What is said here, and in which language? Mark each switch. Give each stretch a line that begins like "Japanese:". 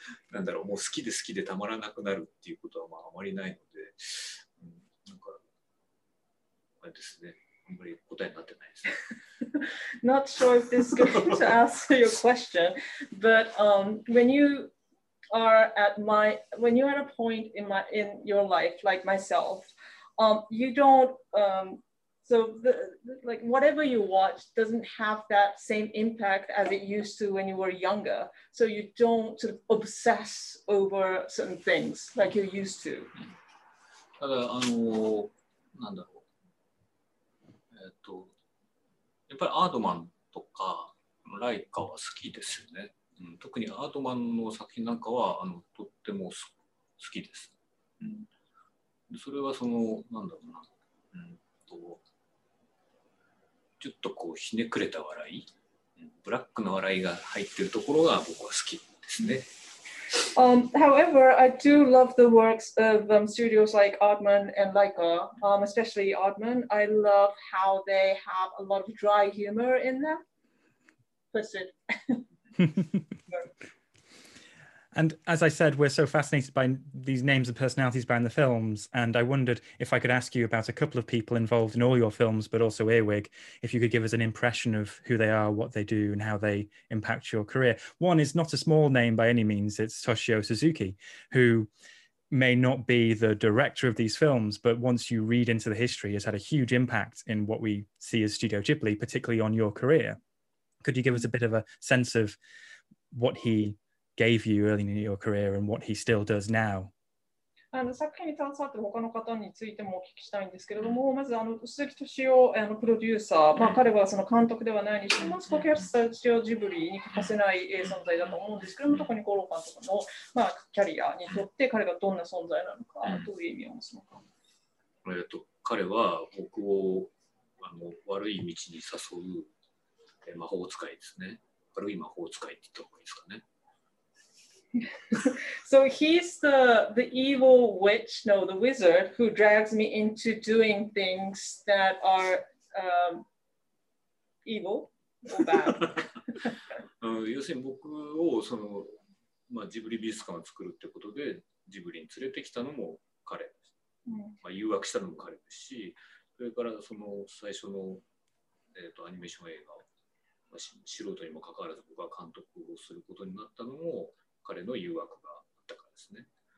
Japanese: なんだろう、もう好きで好きでたまらなくなるっていうことはまああまりないので、なんかあれですね、あんまり答えになってないですね。
English: Not sure if this is going to answer your question, but when you are at my, when you're at a point in my, in your life like myself, you don't So, like whatever you watch doesn't have that same impact as it used to when you were younger. So you don't sort of obsess over certain things like you used to.
Japanese: ただあのなんだろう。やっぱりアードマンとかライカは好きですよね。うん、特にアードマンの作品なんかはあのとっても好きです。うん、それはそのなんだろうな。ちょっとこうひねくれた笑い、ブラックの笑いが入ってるところが僕は好きですね。
English: However, I do love the works of studios like Aardman and Leica, especially Aardman. I love how they have a lot of dry humor in them. That's it. And as I said, we're so fascinated by these names and personalities behind the films. And I wondered if I could ask you about a couple of people involved in all your films, but also Earwig, if you could give us an impression of who they are, what they do, and how they impact your career. One is not a small name by any means. It's Toshio Suzuki, who may not be the director of these films, but once you read into the history, has had a huge impact in what we see as Studio Ghibli, particularly on your career. Could you give us a bit of a sense of what he gave you early in your career and what he still does now?
Japanese: あの作品に携わっている他の方についてもお聞きしたいんですけれども、まずあの鈴木敏夫あのプロデューサー、まあ、彼はその監督ではないにしても、スコキャスタチオジブリに欠かせない存在だと思うんですけれども、特に五郎監督の、まあ、キャリアにとって彼がどんな存在なのか、どういう意味を持つのか。彼は僕をあの悪い道に誘う魔法使いですね。悪い魔法使いって言った方がいいですかね。
English: So he's the evil witch, no, the wizard who drags me into doing things that are evil or bad.
Japanese: 要するに僕をその、まあ、ジブリ美術館を作るってことでジブリに連れてきたのも彼、まあ、誘惑したのも彼ですし、それからその最初の、アニメーション映画を、まあ、素人にもかかわらず僕は監督をすることになったのも彼の誘惑があったからですね。